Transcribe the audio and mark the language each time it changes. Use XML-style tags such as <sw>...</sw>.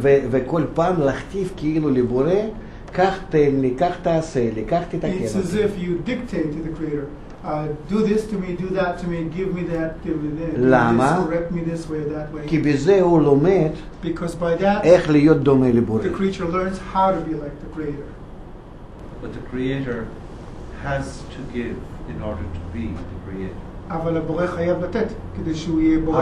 <he>וכל פעם להכתיב כאילו לבורא, כך תן לי, כך תעשה לי, כך תתקן אותי.</he> <en>It's as if you dictate to the creator, do this to me, do that to me, give me that, give me this.</en> <he>למה?</he> <en>Correct me this way, that way.</en> <he>כי בזה הוא לומד איך להיות דומה לבורא.</he> <en>The creature learns how to be like the creator. But the creator has to give in order to be the creator.</en> <he>אבל הבורא חייב לתת כדי שהוא יהיה בורא.</he>